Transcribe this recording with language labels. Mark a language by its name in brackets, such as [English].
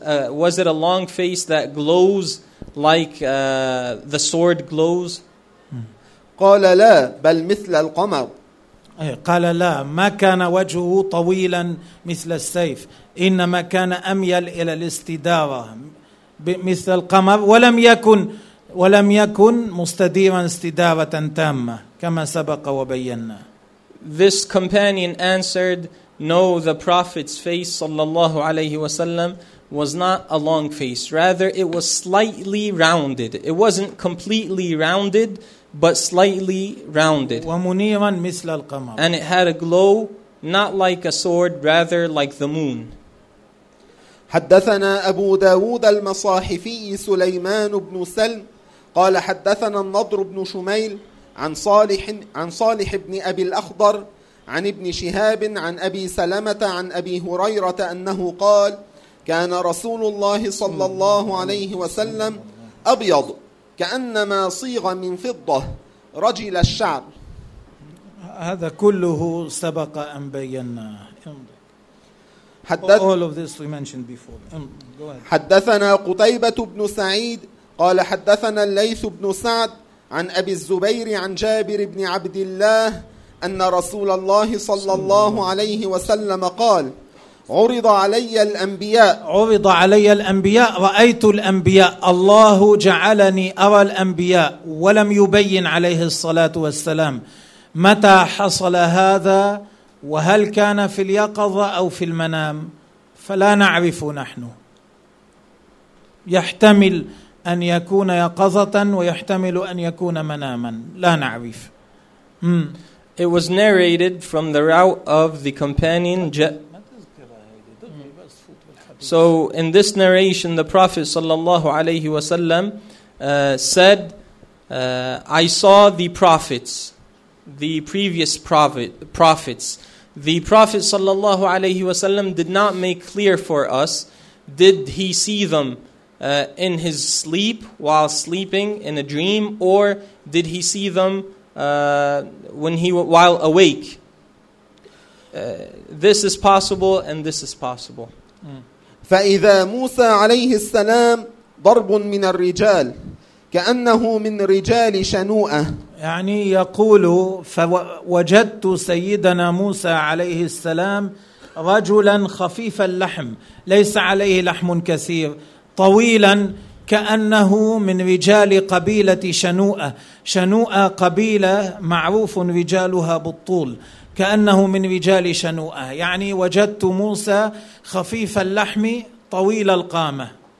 [English] Was it a long face that glows like the sword glows? [Arabic] قَالَ لَا بَلْ مِثْلَ الْقَمَرُ قال لا ما كان وجهه طويلا مثل السيف إنما كان أميل إلى الاستدارة مثل القمر ولم يكن مستديرا استدارة تامة كما سبق وبينا. [English] This companion answered, no, the Prophet's face sallallahu alayhi wasallam was not a long face, rather it was slightly rounded. It wasn't completely rounded, but slightly rounded. [Arabic] ومنيرا مثل القمر. [English] And it had a glow not like a sword, rather like the moon. [Arabic] حدثنا أبو داود المصاحفي سليمان بن سلم قال حدثنا النضر بن شميل عن صالح بن أبي الأخضر عن ابن شهاب عن أبي سلمة عن أبي هريرة أنه قال كان رسول الله صلى الله عليه وسلم أبيض كأنما صيغ من فضة رجل الشعر. هذا كله سبق أن بينا. [English] All of this we mentioned before. [Arabic] حدثنا قتيبة بن سعيد قال حدثنا الليث بن سعد عن أبي الزبير عن جابر بن عبد الله أن رسول الله صلى الله عليه وسلم قال عرض علي الأنبياء عرض علي الأنبياء رأيت الأنبياء. الله جعلني أرى الأنبياء ولم يبين عليه الصلاة والسلام متى حصل هذا وهل كان في اليقظة أو في المنام فلا نعرف نحن. يحتمل أن يكون يقظة ويحتمل أن يكون مناما لا نعرف. [English] It was narrated from the route of the companion So in this narration the Prophet sallallahu alayhi wasallam said I saw the prophets, the previous prophets. The Prophet sallallahu alayhi wasallam did not make clear for us, did he see them in his sleep, while sleeping in a dream, or did he see them while awake? This is possible and this is possible. [Arabic] فإذا موسى عليه السلام ضرب من الرجال كأنه من رجال شنوءة يعني يقول فوجدت سيدنا موسى عليه السلام رجلا خفيف اللحم ليس عليه لحم كثير طويلا كأنه من رجال قبيلة شنوءة شنوءة قبيلة معروف رجالها بالطول كأنه من رجال شنوءة يعني وجدت موسى خفيف اللحم طويل القامة.